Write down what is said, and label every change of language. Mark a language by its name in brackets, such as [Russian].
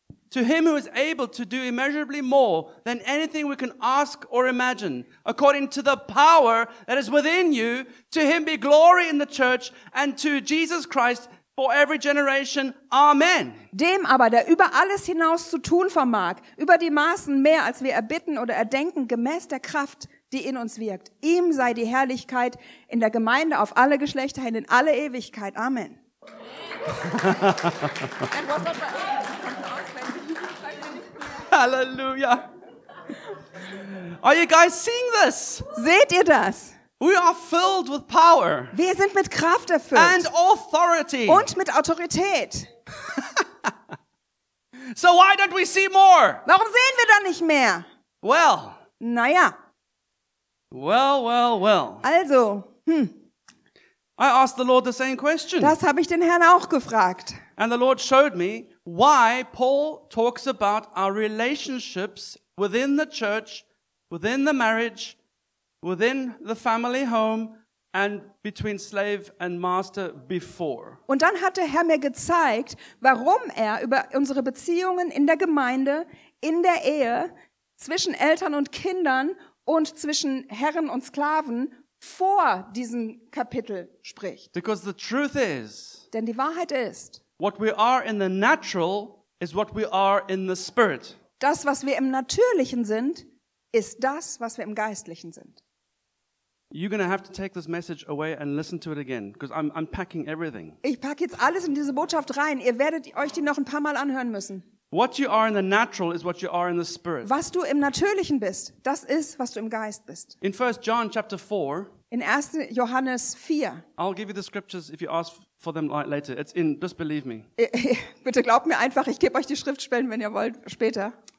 [English] To him who is able to do immeasurably more than anything we can ask or imagine, according to the power that is within you, to him be glory in the church and to Jesus Christ for every generation. Amen. [German] Dem aber, der über alles hinaus zu tun vermag, über die Maßen mehr als wir erbitten oder erdenken, gemäß der Kraft, die in uns wirkt. Ihm sei die Herrlichkeit in der Gemeinde auf alle Geschlechter hin in alle Ewigkeit. Amen. Hallelujah. [English] Are you guys seeing this? [German] Seht ihr das? [English] We are filled with power. [German] Wir sind mit Kraft erfüllt. [English] And authority. [German] Und mit Autorität. [English] So why don't we see more? [German] Warum sehen wir dann nicht mehr? [English] Well. [German] Naja. [English] Well, well, well. [German] Also, [English] I asked the Lord the same question. [German] Das habe ich den Herrn auch gefragt. [English] And the Lord showed me why Paul talks about our relationships within the church, within the marriage, within the family home, And between slave and master before. [German] Und dann hat der Herr mir gezeigt, warum er über unsere Beziehungen in der Gemeinde, in der Ehe, zwischen Eltern und Kindern und zwischen Herren und Sklaven vor diesem Kapitel spricht. [English] Because the truth is, [German] denn die Wahrheit ist, [English] what we are in the natural is what we are in the spirit. [German] Das, was wir im Natürlichen sind, ist das, was wir im Geistlichen sind. [English] You're going to have to take this message away and listen to it again, because I'm unpacking everything. [German] Ich packe jetzt alles in diese Botschaft rein. Ihr werdet euch die noch ein paar Mal anhören müssen. [English] What you are in the natural is what you are in the spirit. [German] Was du im Natürlichen bist, das ist, was du im Geist bist. [English] In 1 John chapter 4. [German] In 1. Johannes 4. [English] I'll give you the scriptures if you ask for them later. It's in, just believe me. [German] Bitte glaubt mir einfach, ich gebe euch die Schriftstellen, wenn ihr wollt, später.